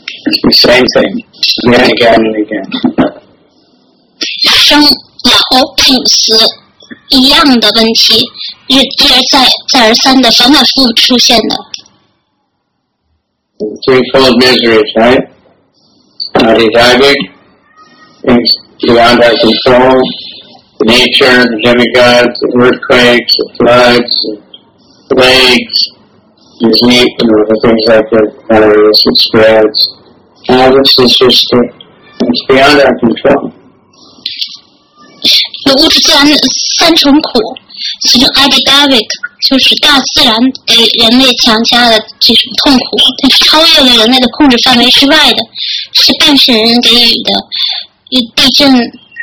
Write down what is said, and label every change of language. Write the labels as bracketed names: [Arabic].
[English] It's the same thing, again and again and again. [Chinese] 生老病死一样的问题，一而再，再而三的反反复复出现的。 [English] Three full of miseries, right? Body diving, things beyond our control. Nature, the demigods, the earthquakes, the floods, the plagues, disease, you know, the things like that, the virus, it spreads. All this is just, it's beyond our control. [Chinese] The 物质自然三重苦，其中 Adidavik 就是大自然给人类强加的这种痛苦，它是超越了人类的控制范围之外的，是半神人给予的，与地震。